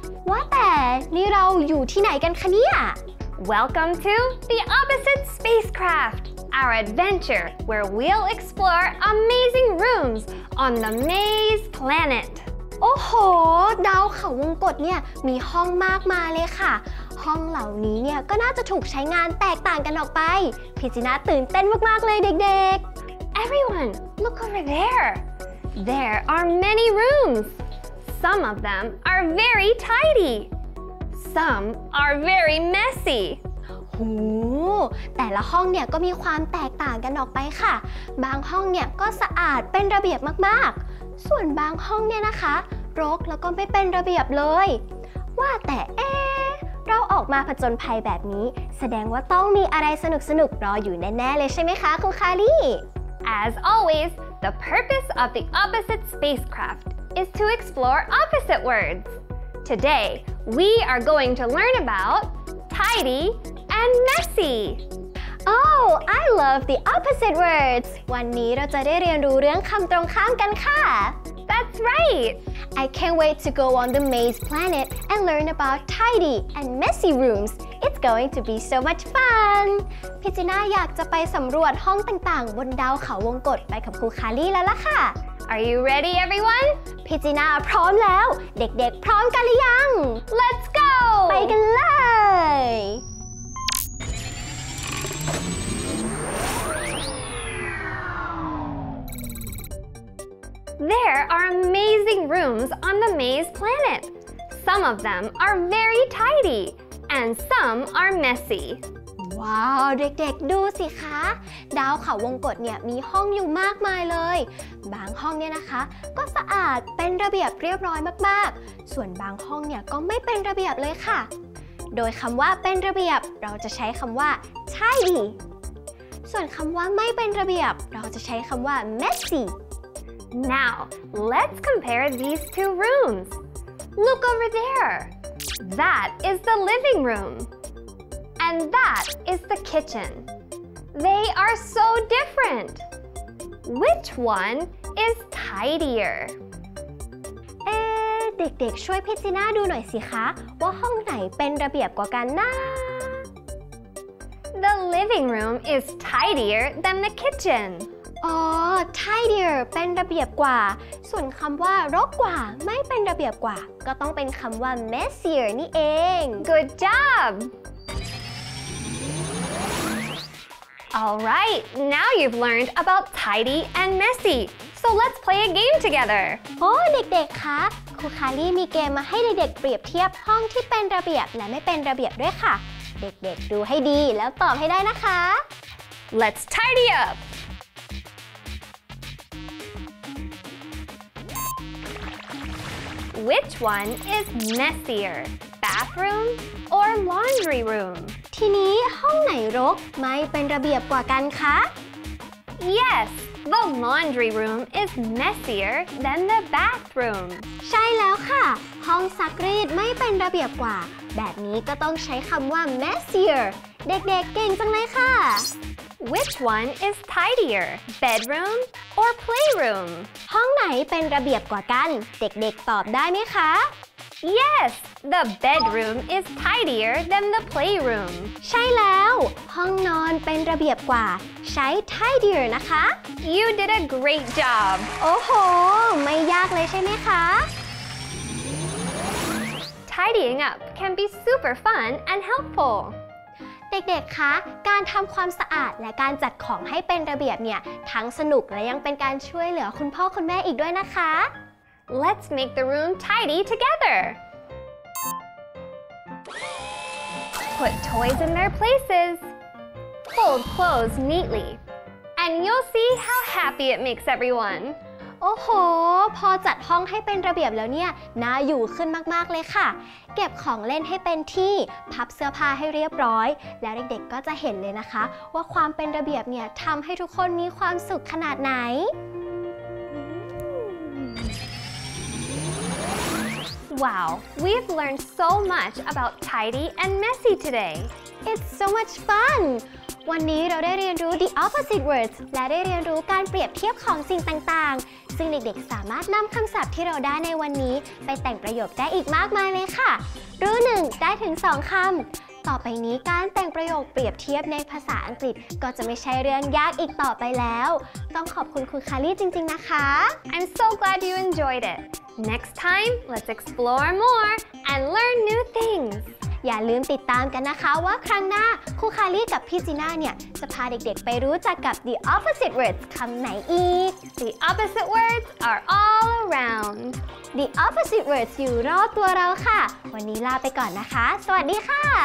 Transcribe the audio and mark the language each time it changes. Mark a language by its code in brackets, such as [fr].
[th] ว่าแต่นี่เราอยู่ที่ไหนกันคะเนี่ย [en] Welcome to the Opposite Spacecraft Our adventure where we'll explore amazing rooms on the Maze Planet [th] โอ้โหดาวเขาวงกตเนี่ยมีห้องมากมายเลยค่ะห้องเหล่านี้เนี่ยก็น่าจะถูกใช้งานแตกต่างกันออกไปพี่จีน่าตื่นเต้นมากๆเลยเด็กๆ [en] Everyone, look over there. There are many rooms. Some of them are very tidy. Some are very messy. [th] หูแต่ละห้องเนี่ยก็มีความแตกต่างกันออกไปค่ะบางห้องเนี่ยก็สะอาดเป็นระเบียบมากๆส่วนบางห้องเนี่ยนะคะรกแล้วก็ไม่เป็นระเบียบเลยว่าแต่เราออกมาผจญภัยแบบนี้แสดงว่าต้องมีอะไรสนุกๆรออยู่แน่ๆเลยใช่ไหมคะคุณคารี [en] As always, the purpose of the opposite spacecraft is to explore opposite words. Today, we are going to learn about tidy and messy. Oh, I love the opposite words. [th] วันนี้เราจะได้เรียนรู้เรื่องคำตรงข้ามกันค่ะ [en] That's right. I can't wait to go on the Maze Planet and learn about tidy and messy rooms. It's going to be so much fun. [th] พี่จีน่าอยากจะไปสำรวจห้องต่างๆบนดาวเขาวงกตไปกับครูคาลี่แล้วล่ะค่ะ [en] Are you ready, everyone? [th] พี่จีน่าพร้อมแล้วเด็กๆพร้อมกันหรือยัง [en] Let's go. [th] ไปกันเลย [en] There are amazing rooms on the Maze Planet. Some of them are very tidy. And some are messy. [th] Wow, เด็กๆดูสิคะดาวเขาวงกตเนี่ยมีห้องอยู่มากมายเลยบางห้องเนี่ยนะคะก็สะอาดเป็นระเบียบเรียบร้อยมากๆส่วนบางห้องเนี่ยก็ไม่เป็นระเบียบเลยค่ะโดยคำว่าเป็นระเบียบเราจะใช้คำว่า tidy ส่วนคำว่าไม่เป็นระเบียบเราจะใช้คำว่า messy. [en] Now, let's compare these two rooms. Look over there. That is the living room. And that is the kitchen. They are so different. Which one is tidier? [th] เด็กๆช่วยพี่จีน่าดูหน่อยสิคะว่าห้องไหนเป็นระเบียบกว่ากันนะ [en] The living room is tidier than the kitchen. [th] tidier เป็นระเบียบกว่าส่วนคำว่ารกกว่าไม่เป็นระเบียบกว่าก็ต้องเป็นคำว่า messier นี่เอง [en] Good job! Alright, now you've learned about tidy and messy. So let's play a game together. [th] โอ้เด็กๆคะครูคาลี่มีเกมมาให้เด็กๆเปรียบเทียบห้องที่เป็นระเบียบและไม่เป็นระเบียบด้วยค่ะเด็กๆดูให้ดีแล้วตอบให้ได้นะคะ [en] Let's tidy up! Which one is messier, bathroom or laundry room? [th] ทีนี้ห้องไหนรกไม่เป็นระเบียบกว่ากันคะ [en] Yes, the laundry room is messier than the bathroom. [th] ใช่แล้วค่ะห้องซักรีดไม่เป็นระเบียบกว่าแบบนี้ก็ต้องใช้คำว่า messier. เด็กๆเก่งจังเลยค่ะ [en] Which one is tidier, bedroom? Or playroom? [th] ห้องไหนเป็นระเบียบกว่ากันเด็กๆตอบได้ไหมคะ [en] Yes, the bedroom is tidier than the playroom. [th] ใช่แล้วห้องนอนเป็นระเบียบกว่าใช้ tidier นะคะ [en] You did a great job. [th] โอ้โหไม่ยากเลยใช่ไหมคะ [en] Tidying up can be super fun and helpful. [th] เด็กๆคะการทำความสะอาดและการจัดของให้เป็นระเบียบเนี่ยทั้งสนุกและยังเป็นการช่วยเหลือคุณพ่อคุณแม่อีกด้วยนะคะ [en] Let's make the room tidy together. Put toys in their places. Fold clothes neatly. And you'll see how happy it makes everyone. [th] โอ้โหพอจัดห้องให้เป็นระเบียบแล้วเนี่ยน่าอยู่ขึ้นมากๆเลยค่ะเก็บของเล่นให้เป็นที่พับเสื้อผ้าให้เรียบร้อยแล้วเด็กๆก็จะเห็นเลยนะคะว่าความเป็นระเบียบเนี่ยทำให้ทุกคนมีความสุขขนาดไหน [en] Wow, we've learned so much about tidy and messy today. It's so much fun. [th] วันนี้เราได้เรียนรู้ [en] the opposite words [th] และได้เรียนรู้การเปรียบเทียบของสิ่งต่างๆซึ่งเด็กๆสามารถนำคำศัพท์ที่เราได้ในวันนี้ไปแต่งประโยคได้อีกมากมายเลยค่ะรู้หนึ่งได้ถึงสองคำต่อไปนี้การแต่งประโยคเปรียบเทียบในภาษาอังกฤษก็จะไม่ใช่เรื่องยากอีกต่อไปแล้วต้องขอบคุณคุณคารี่จริงๆนะคะ [en] I'm so glad you enjoyed it next time let's explore more and learn new things [th] อย่าลืมติดตามกันนะคะว่าครั้งหน้าครูคารีกับพี่จีน่าเนี่ยจะพาเด็กๆไปรู้จักกับ [en] the opposite words [th] คำไหนอีก [en] the opposite words are all around the opposite words [th] อยู่รอบตัวเราค่ะวันนี้ลาไปก่อนนะคะสวัสดีค่ะ